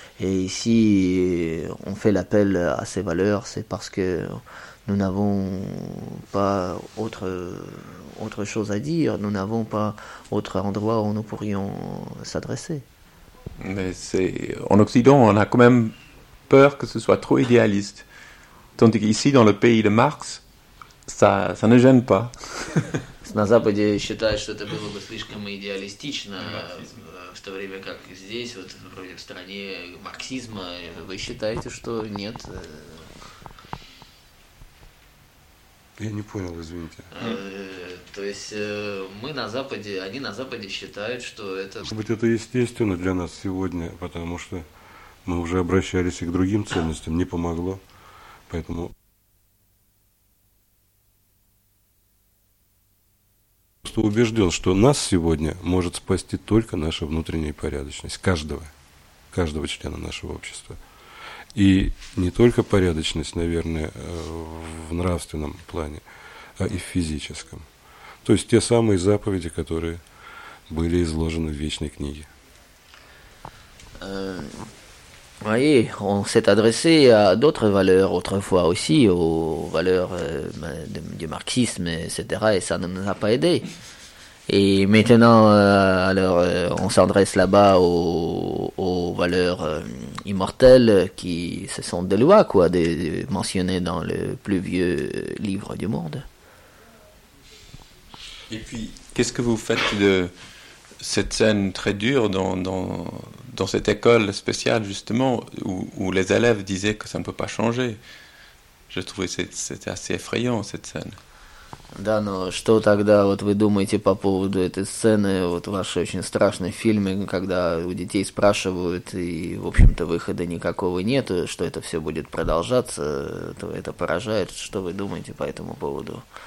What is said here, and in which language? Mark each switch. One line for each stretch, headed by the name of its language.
French: Et ici, on fait l'appel à ces valeurs, c'est parce que nous n'avons pas autre chose à dire, nous n'avons pas autre endroit où nous pourrions s'adresser. Mais c'est, en Occident, on a quand même peur que ce soit trop idéaliste. Tandis qu'ici, dans le pays de Marx, ça ne gêne pas.
Russian: На Западе считают, что это было бы слишком идеалистично, в то время как здесь, вот вроде в стране марксизма, вы считаете, что нет? Я не понял, извините. То есть мы на Западе, они на Западе считают, что это... Может быть, это естественно для нас сегодня, потому что мы уже обращались и к другим ценностям, не помогло, поэтому... убежден, что нас сегодня может спасти только наша внутренняя порядочность, каждого члена нашего общества. И не только порядочность, наверное, в нравственном плане, а и в физическом. То есть те самые заповеди, которые были изложены в Вечной книге.
French: Voyez, on s'est adressé à d'autres valeurs autrefois aussi, aux valeurs du marxisme, etc. Et ça ne nous a pas aidé. Et maintenant, on s'adresse là-bas aux valeurs immortelles qui, ce sont des lois, quoi, mentionnées dans le plus vieux livre du monde. Et puis, qu'est-ce que vous faites de cette scène très dure dans cette école spéciale, justement, où les élèves disaient que ça ne peut pas changer? Je trouvais que c'était assez effrayant, cette scène.
Russian: Да, но что тогда вот вы думаете по поводу этой сцены, вот ваши очень страшные фильмы, когда у детей спрашивают, и, в общем-то, выхода никакого нет, что это все будет продолжаться, то это поражает. Что вы думаете по этому поводу?